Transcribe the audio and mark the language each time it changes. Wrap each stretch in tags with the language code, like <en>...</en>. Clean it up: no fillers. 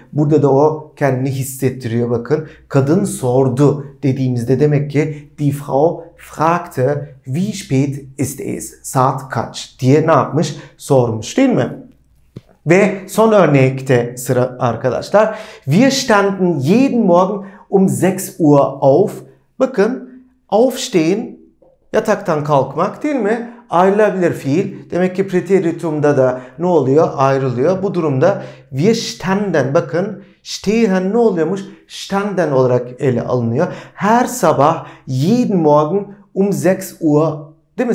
<tr>Burada da o kendini hissettiriyor bakın. Kadın sordu dediğimizde demek ki</tr> <de>die Frau fragte wie spät ist es?</de> <tr>Saat kaç diye ne yapmış? Sormuş değil mi? Ve son örnekte sıra arkadaşlar.</tr> <de>Wir standen jeden Morgen um 6 Uhr auf.</de> <tr>Bakın aufstehen, yataktan kalkmak değil mi? Ayrılabilir fiil. Demek ki preteritumda da ne oluyor? Ayrılıyor. Bu durumda</tr> <de>wir standen,</de> <tr>bakın stehen ne oluyormuş? Standen olarak ele alınıyor. Her sabah</tr> <de>jeden Morgen um 6 Uhr</de> <tr>değil mi?</tr>